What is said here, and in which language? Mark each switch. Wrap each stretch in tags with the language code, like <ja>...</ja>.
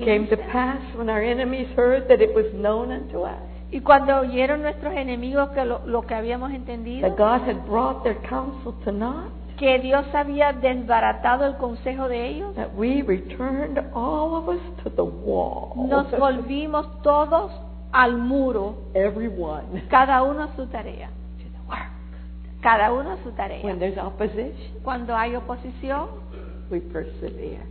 <en>It came to pass when our enemies heard that it was known unto us.</en> <es>Y cuando oyeron nuestros enemigos que lo que habíamos entendido.</es> <en>That God had brought their counsel to naught.</en> <es>Que Dios había desbaratado el consejo de ellos.</es> <en>That we returned all of us to the wall.</en> <es>Nos volvimos todos al muro.</es> <en>Everyone.</en> <es>Cada uno a su tarea.</es> <en>To the work.</en> <es>Cada uno a su tarea.</es> <en>When there's opposition.</en> <es>Cuando hay oposición.</es> <en>We persevere.</en>